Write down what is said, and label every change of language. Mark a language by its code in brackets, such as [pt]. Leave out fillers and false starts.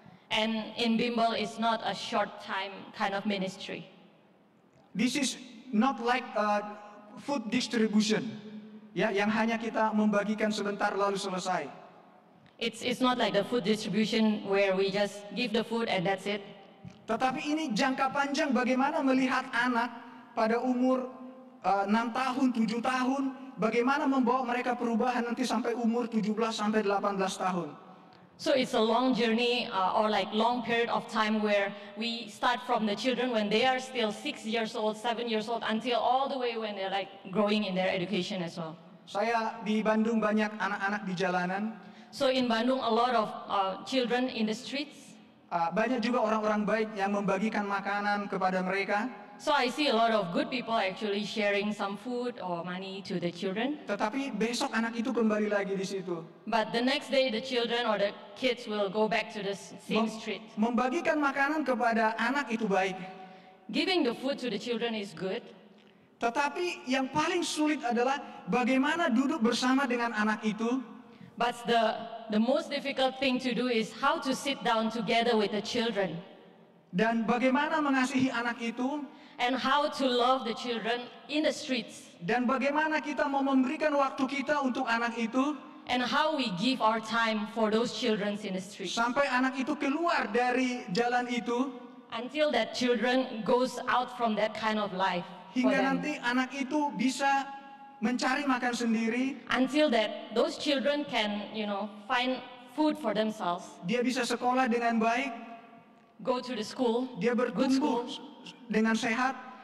[en] And in bimbel is not a short time kind of ministry. This is not like a food distribution, [id] ya, yang hanya kita membagikan sebentar lalu selesai. [en] It's not like the food distribution where we just give the food and that's it. [id] Tetapi ini jangka panjang, bagaimana melihat anak pada umur 6 tahun, 7 tahun, bagaimana membawa mereka perubahan nanti sampai umur 17 sampai 18 tahun. [en] So it's a long journey or like long period of time where we start from the children when they are still 6 years old, 7 years old until all the way when they're like growing in their education as well. [id] Saya di Bandung banyak anak-anak di jalanan. [en] So in Bandung a lot of children in the streets. [id] Banyak juga orang-orang baik yang membagikan makanan kepada mereka. [en] So I see a lot of good people actually sharing some food or money to the children. [id] Tetapi besok anak itu kembali lagi di situ. [en] But the next day the children or the kids will go back to the same street. [id] Membagikan makanan kepada anak itu baik. [en] Giving the food to the children is good. [id] Tetapi yang paling sulit adalah bagaimana duduk bersama dengan anak itu. [en] But the most difficult thing to do is how to sit down together with the children. [id] Dan bagaimana mengasihi anak itu. [en] And how to love the children in the streets. [id] Dan bagaimana kita mau memberikan waktu kita untuk anak itu. [en] And how we give our time for those children in the streets. [id] Sampai anak itu keluar dari jalan itu. [en] Until that children goes out from that kind of life. [id] Hingga nanti anak itu bisa mencari makan sendiri. [en] Until that those children can, you know, find food for themselves. [id] Dia bisa sekolah dengan baik. [en] Go to the school. [id] Dia bertumbuh dengan sehat.